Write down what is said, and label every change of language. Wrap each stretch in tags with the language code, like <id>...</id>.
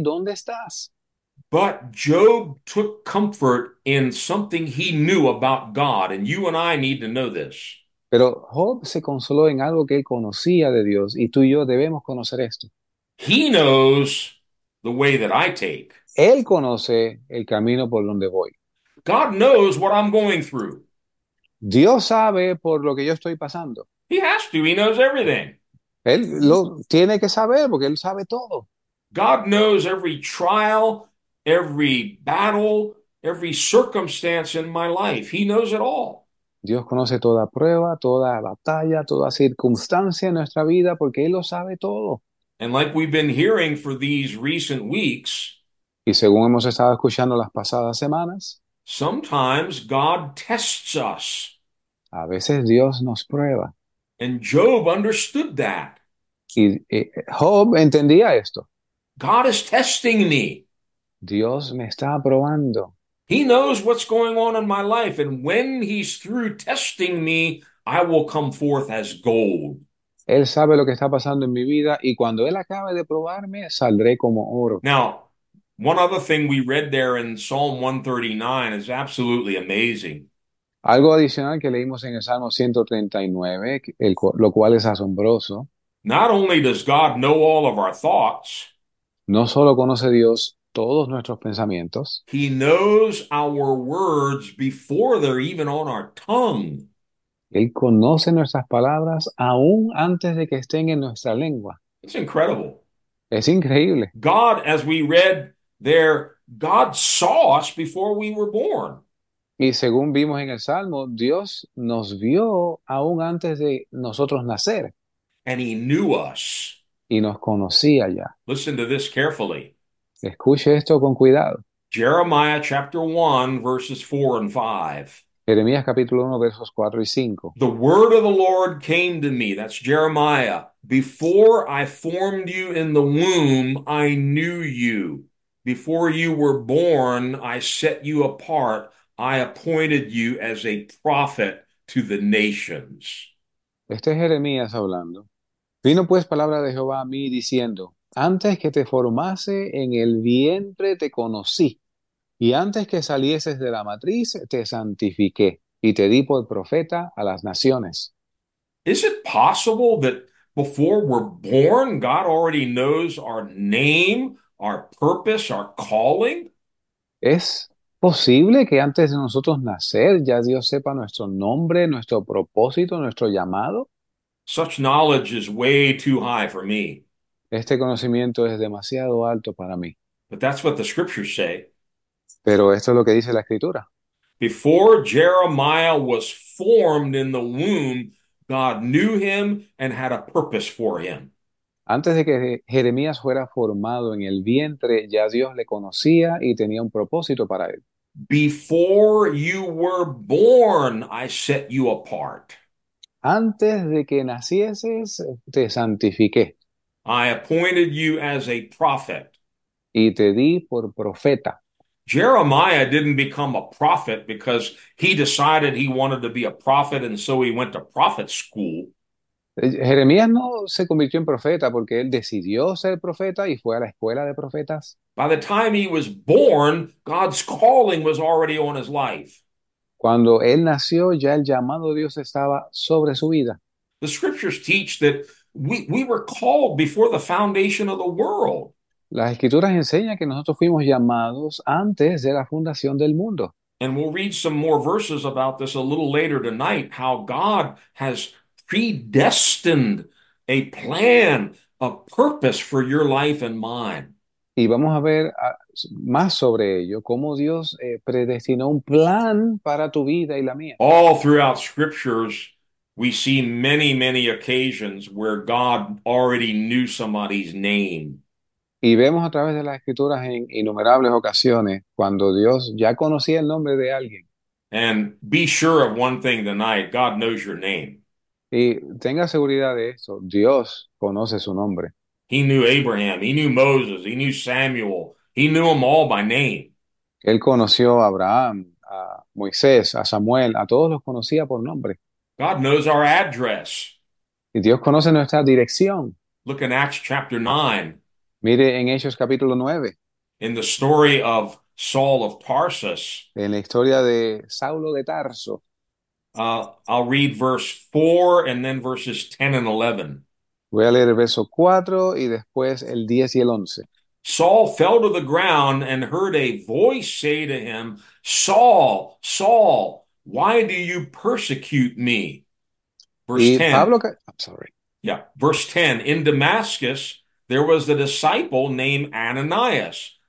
<es>¿Dónde estás?</es> <en>But Job took comfort in something he knew about God, and you and I need to know this.</en> <es>Pero Job se consoló en algo que él conocía de Dios, y tú y yo debemos conocer esto.</es> <en>He knows the way that I take.</en> <es>Él conoce el camino por donde voy.</es> <en>God knows what I'm going through.</en> <es>Dios sabe por lo que yo estoy pasando.</es> <en>He has to, he knows everything.</en> <es>Él lo tiene que saber porque él sabe todo.</es> <en>God knows every trial. Every battle, every circumstance in my life, he knows it all.</en> <es>Dios conoce toda prueba, toda batalla, toda circunstancia en nuestra vida porque Él lo sabe todo.</es> <en>And like we've been hearing for these recent weeks,</en> <es>Y según hemos estado escuchando las pasadas semanas,</es> <en>sometimes God tests us.</en> <es>a veces Dios nos prueba.</es> <en>And Job understood that.</en> <es>Y Job entendía esto.</es> <en>God is testing me.</en> <es>Dios me está probando.</es> <en>He knows what's going on in my life, and when he's through testing me, I will come forth as gold.</en> <es>Él sabe lo que está pasando en mi vida y cuando Él acabe de probarme, saldré como oro.</es> <en>Now, one other thing we read there in Psalm 139 is absolutely amazing.</en> <es>Algo adicional que leímos en el Salmo 139, lo cual es asombroso.</es> <en>Not only does God know all of our thoughts,</en> <es>No solo conoce Dios todos nuestros pensamientos,</es> <en>He knows our words before they're even on our tongue.</en> <es>Él conoce nuestras palabras aún antes de que estén en nuestra lengua.</es> <en>It's incredible.</en> <es>Es increíble.</es> <en>God, as we read there, God saw us before we were born.</en> <es>Y según vimos en el Salmo, Dios nos vio aún antes de nosotros nacer.</es> <en>And he knew us.</en> <es>Y nos conocía ya.</es> <en>Listen to this carefully.</en> <es>Escuche esto con cuidado.</es> <en>Jeremiah chapter 1, verses 4 and 5.</en> <es>Jeremías capítulo 1, versos 4 y 5.</es> <en>The word of the Lord came to me, that's Jeremiah, before I formed you in the womb, I knew you. Before you were born, I set you apart. I appointed you as a prophet to the nations.</en> <es>Este es Jeremías hablando. Vino pues palabra de Jehová a mí diciendo: Antes que te formase en el vientre te conocí. Y antes que salieses de la matriz, te santifiqué y te di por profeta a las naciones.</es> <en>Is it possible that before we're born, God already knows our name, our purpose, our calling?</en> <es>¿Es posible que antes de nosotros nacer ya Dios sepa nuestro nombre, nuestro propósito, nuestro llamado?</es> <en>Such knowledge is way too high for me.</en> <es>Este conocimiento es demasiado alto para mí.</es> <en>But that's what the scriptures say.</en> <es>Pero esto es lo que dice la escritura.</es> <en>Before Jeremiah was formed in the womb, God knew him and had a purpose for him.</en> <es>Antes de que Jeremías fuera formado en el vientre, ya Dios le conocía y tenía un propósito para él.</es> <en>Before you were born, I set you apart.</en> <es>Antes de que nacieses, te santifiqué</es> <en>I appointed you as a prophet.</en> <es>y te di por profeta.</es> <en>Jeremiah didn't become a prophet because he decided he wanted to be a prophet, and so he went to prophet school.</en> <es>Jeremías no se convirtió en profeta porque él decidió ser profeta y fue a la escuela de profetas.</es> <en>By the time he was born, God's calling was already on his life.</en> <es>Cuando él nació, ya el llamado de Dios estaba sobre su vida.</es> <en>The scriptures teach that we were called before the foundation of the world.</en> <es>Las escrituras enseñan que nosotros fuimos llamados antes de la fundación del mundo.</es> <en>And we'll read some more verses about this a little later tonight, how God has predestined a plan, a purpose for your life and mine.</en> <es>Y vamos a ver más sobre ello, cómo Dios predestinó un plan para tu vida y la mía.</es> <en>All throughout scriptures, we see many, many occasions where God already knew somebody's name.</en> <es>Y vemos a través de las escrituras en innumerables ocasiones cuando Dios ya conocía el nombre de alguien.</es> <en>And be sure of one thing tonight, God knows your name.</en> <es>Y tenga seguridad de eso, Dios conoce su nombre.</es> <en>He knew Abraham, he knew Moses, he knew Samuel, he knew them all by name.</en> <es>Él conoció a Abraham, a Moisés, a Samuel, a todos los conocía por nombre.</es> <en>God knows our address.</en> <es>Y Dios conoce nuestra dirección.</es> <en>Look in Acts chapter 9.</en> <es>Mire en Hechos capítulo 9,</es> <en>In the story of Saul of Tarsus,</en> <es>en la historia de Saulo de Tarso.</es> <en>I'll read verse 4 and then verses 10 and 11.</en> <es>Voy a leer el verso 4 y después el 10 y el 11.</es> <en>Saul fell to the ground and heard a voice say to him, Saul, Saul, why do you persecute me? Verse</en> <es>Y</es> <en>10. Pablo, I'm sorry. Verse 10. In Damascus, there was a disciple named Ananias.</en>